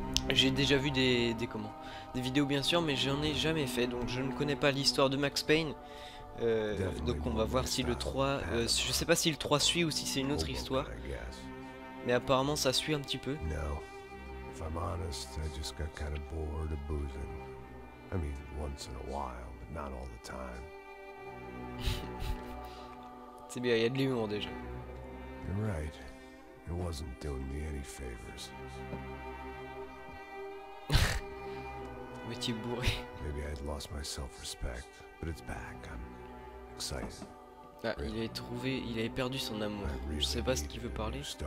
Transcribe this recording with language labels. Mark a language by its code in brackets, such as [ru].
[fr] J'ai déjà vu des vidéos bien sûr, mais j'en ai jamais fait. Donc je ne connais pas l'histoire de Max Payne. Donc on va voir si le 3, je sais pas si le 3 suit ou si c'est une autre histoire. Mais apparemment ça suit un petit peu. [en] If I'm honest, I just got kind of bored of boozing. I mean, once in a while, but not all the time. [fr] C'est bien, il y a de l'humour déjà. [en] You're right. It wasn't doing me any favors. [fr] Mais tu es bourré. [en] Maybe I'd lost my self-respect, but it's back. I'm excited. Ah, really. [fr] Il avait perdu son amour. Really, je sais pas ce qu'il veut parler.